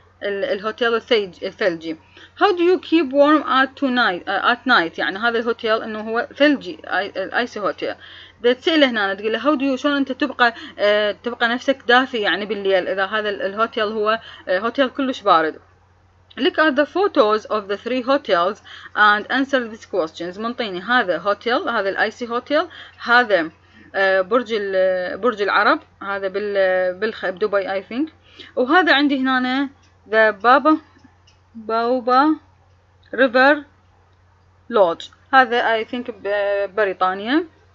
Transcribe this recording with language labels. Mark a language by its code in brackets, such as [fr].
[en] ال hotel [ar] الثلجي. [en] How do you keep warm at tonight? At night. [ar] يعني هذا ال hotel إنه هو ثلجي. Icy hotel. ده تسأله هنا. تقول له [en] how do you [ar] شلون أنت تبقى نفسك دافي يعني بالليل إذا هذا ال hotel هو hotel كلش بارد. [en] Look at the photos of the three hotels and answer these questions. [ar] منطيني هذا هوتيل هذا الايسي هوتيل هذا برج العرب هذا بدبي I think وهذا عندي هنا the بابا ريفر لودج هذا I think بريطانيا.